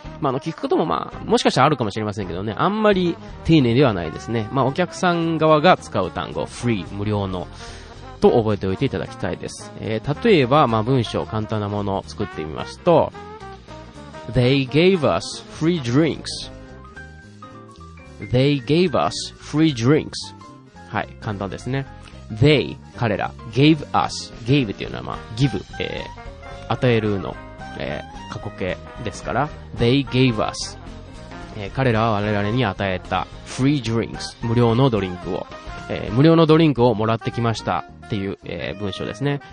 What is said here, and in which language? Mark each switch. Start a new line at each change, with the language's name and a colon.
Japanese: まあ、聞くこともまあ、もしかしたらあるかもしれませんけどね、あんまり丁寧ではないですね。まあ、お客さん側が使う単語、free、無料の、と覚えておいていただきたいです。例えば、まあ、文章、簡単なものを作ってみますと、
English: They gave us free drinks. They gave us free drinks.
Japanese: はい、簡単ですね。 They 彼ら gave us gave というのはまあ give、与えるの、過去形ですから
English: They gave us、
Japanese: 彼らは我々に与えた free drinks 無料のドリンクを、無料のドリンクをもらってきましたっていう、文章ですね。